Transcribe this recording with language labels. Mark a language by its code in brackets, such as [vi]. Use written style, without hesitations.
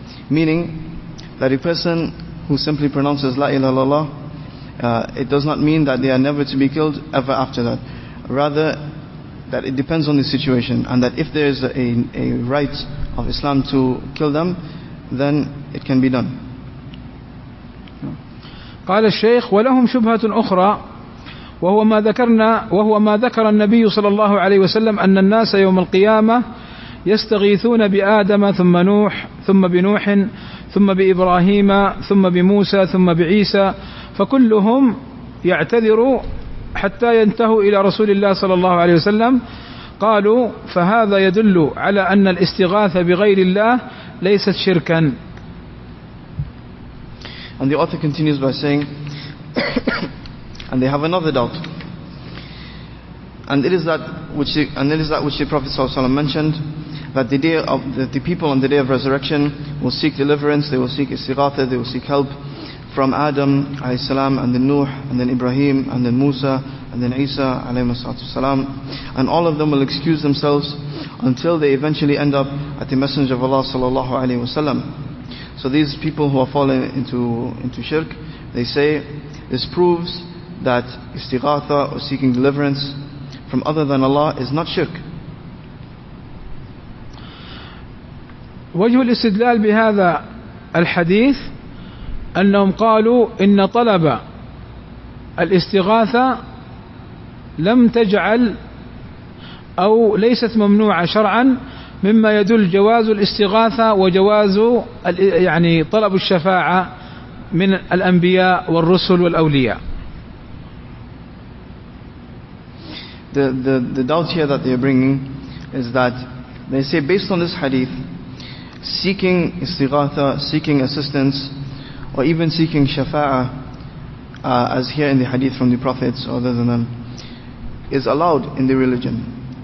[en] Meaning that a person who simply pronounces La ilaha illallah, it does not mean that they are never to be killed ever after that. Rather, that it depends on the situation, and that if there is a right of Islam to kill them, then it can be done. [ar] قال الشيخ ولهم شبهة أخرى وهو ما ذكر النبي صلى الله عليه وسلم أن الناس يوم القيامة يستغيثون بآدم ثم نوح ثم بنوح ثم بإبراهيم ثم بموسى ثم بعيسى فكلهم يعتذر حتى ينتهوا إلى رسول الله صلى الله عليه وسلم. قالوا فهذا يدل على أن الاستغاثة بغير الله ليست شركا. [en] And the author continues by saying and they have another doubt, and it is that which the Prophet [ar] صلى الله عليه وسلم [en] mentioned, that the people on the day of resurrection will seek deliverance, they will seek istighatha, they will seek help from Adam [ar] عليه السلام, [en] and then Nuh, and then Ibrahim, and then Musa, and then Isa عليه السلام, and all of them will excuse themselves until they eventually end up at the Messenger of Allah صلى الله عليه وسلم. So these people who are falling into shirk, they say this proves that istighatha, or seeking deliverance from other than Allah, is not shirk. [ar] وجه الاستدلال بهذا الحديث أنهم قالوا إن طلب الاستغاثة لم تجعل أو ليست ممنوعة شرعا, مما يدل جواز الاستغاثة وجواز يعني طلب الشفاعة من الأنبياء والرسل والأولياء. [en] The doubt here that they are bringing is that they say based on this hadith, seeking istighatha, seeking assistance, or even seeking shafa'a, as here in the hadith from the prophets or other than them, is allowed in the religion.